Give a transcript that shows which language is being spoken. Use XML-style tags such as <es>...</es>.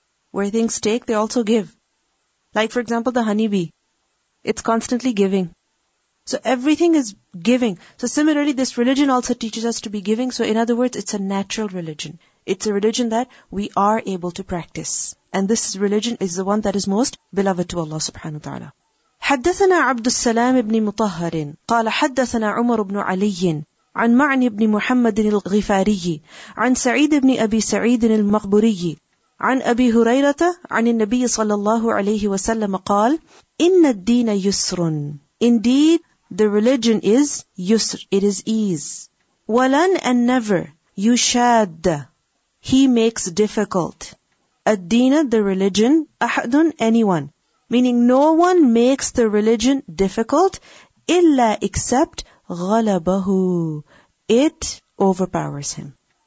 <en>Where things take, they also give. Like for example, the honeybee. It's constantly giving. So everything is giving. So similarly, this religion also teaches us to be giving. So in other words, it's a natural religion. It's a religion that we are able to practice. And this religion is the one that is most beloved to Allah subhanahu wa ta'ala.</en> <ar>حدثنا عبد السلام ابن مطهر قال حدثنا عمر بن علي عن معن بن محمد الغفاري عن سعيد بن أبي سعيد المقبري عن أبي هريرة عن النبي صلى الله عليه وسلم قال إن الدين يسر.</ar> <en>Indeed, the religion is yusr, it is ease. ولن and never يشاد, he makes difficult. Ad-deena, the religion, ahadun, anyone. Meaning no one makes the religion difficult, illa except ghalabahu, it overpowers him.</en>